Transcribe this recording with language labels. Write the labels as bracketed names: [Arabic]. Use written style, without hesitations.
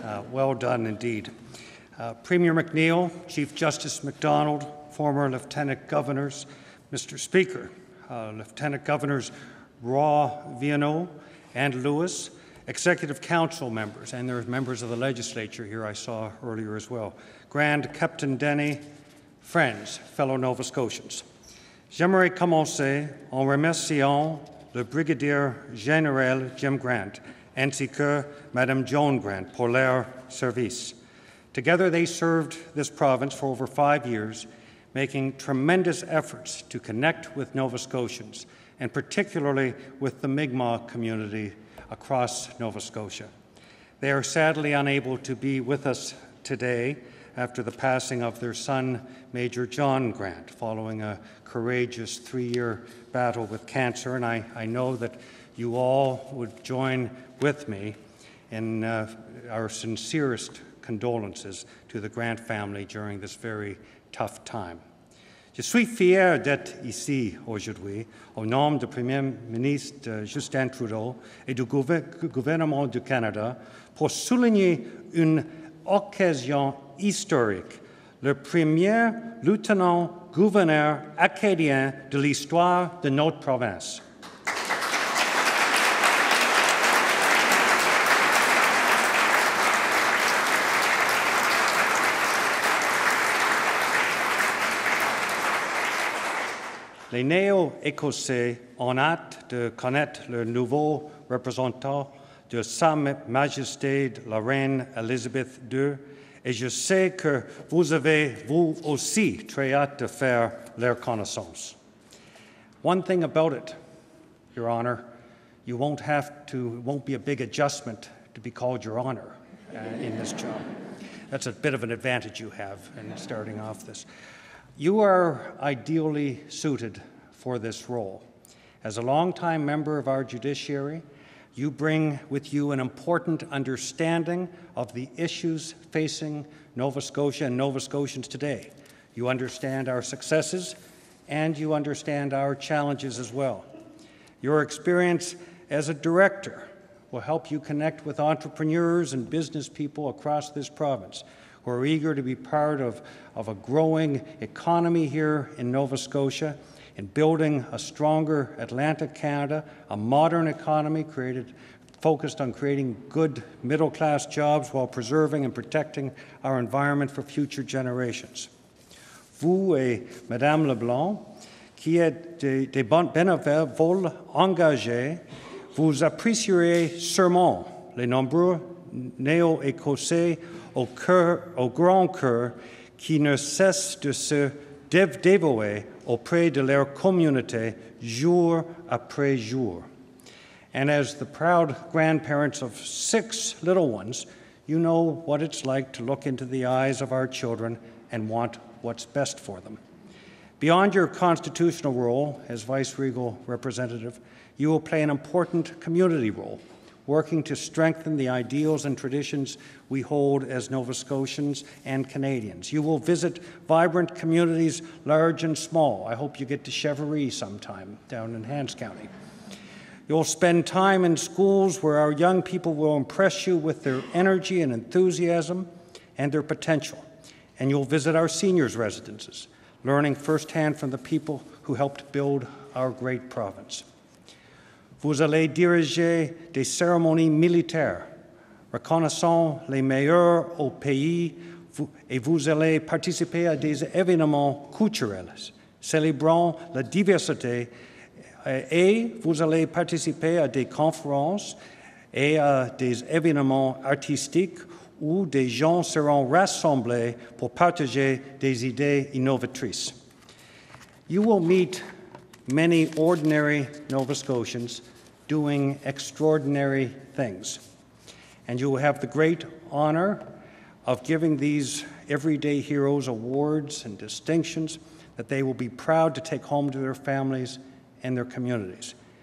[English] Well done indeed. Premier McNeil, Chief Justice McDonald, former Lieutenant Governors, Mr. Speaker, Lieutenant Governors Raw, Viano, and Lewis, Executive Council members, and there are members of the legislature here I saw earlier as well, Grand Captain Denny, friends, fellow Nova Scotians. [French] J'aimerais commencer en remerciant le Brigadier Général Jim Grant, ainsi que Madame Joan Grant pour leur service. [English] Together they served this province for over 5 years, making tremendous efforts to connect with Nova Scotians, and particularly with the Mi'kmaq community across Nova Scotia. They are sadly unable to be with us today after the passing of their son, Major John Grant, following a courageous 3-year battle with cancer. And I know that you all would join with me in our sincerest condolences to the Grant family during this very tough time. [French] Je suis fier d'être ici aujourd'hui au nom du Premier ministre Justin Trudeau et du gouvernement du Canada pour souligner une occasion historique. Le premier lieutenant gouverneur acadien de l'histoire de notre province. Les Néo-Écossais ont hâte de connaître le nouveau représentant de Sa Majesté la Reine Elizabeth II, et je sais que vous avez vous aussi très hâte de faire leur connaissance. [English] One thing about it, Your Honor, you won't have to, it won't be a big adjustment to be called Your Honor in this job. That's a bit of an advantage you have in starting off this. You are ideally suited for this role. As a longtime member of our judiciary, you bring with you an important understanding of the issues facing Nova Scotia and Nova Scotians today. You understand our successes, and you understand our challenges as well. Your experience as a director will help you connect with entrepreneurs and business people across this province who are eager to be part of a growing economy here in Nova Scotia, in building a stronger Atlantic Canada, a modern economy focused on creating good middle-class jobs while preserving and protecting our environment for future generations. [French] Vous et Madame Leblanc, qui êtes de bons bénévoles engagés, vous apprécierez sûrement les nombreux néo-écossais au grand cœur qui ne cessent de se dévouer auprès de leur communauté jour après jour. [English] And as the proud grandparents of six little ones, you know what it's like to look into the eyes of our children and want what's best for them. Beyond your constitutional role as vice-regal representative, you will play an important community role, working to strengthen the ideals and traditions we hold as Nova Scotians and Canadians. You will visit vibrant communities, large and small. I hope you get to Cheverry sometime down in Hans County. You'll spend time in schools where our young people will impress you with their energy and enthusiasm and their potential. And you'll visit our seniors' residences, learning firsthand from the people who helped build our great province. [French] Vous allez diriger des cérémonies militaires, reconnaissant les meilleurs au pays, et vous allez participer à des événements culturels, célébrant la diversité, et vous allez participer à des conférences et à des événements artistiques où des gens seront rassemblés pour partager des idées innovatrices. [English] You will meet many ordinary Nova Scotians doing extraordinary things. And you will have the great honor of giving these everyday heroes awards and distinctions that they will be proud to take home to their families and their communities.